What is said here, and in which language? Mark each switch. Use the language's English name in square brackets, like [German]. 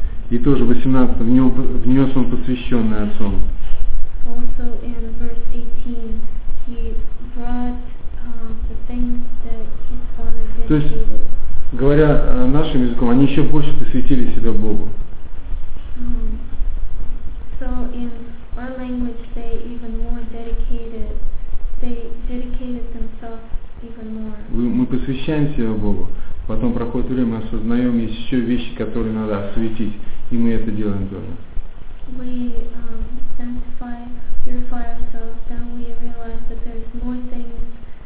[Russian] И тоже 18, внес он посвященный отцом. [English] Also in verse 18, he brought the things that his father dedicated. [Russian] То есть, говоря нашим языком, они еще больше посвятили себя Богу. [English] So in our language, they even more dedicated. They dedicated themselves even more. [Russian] Мы посвящаем себя Богу. Потом проходит время, мы осознаем, есть еще вещи, которые надо осветить, и мы это делаем тоже. [English] We sanctify, purify ourselves, then we realize that there is more things.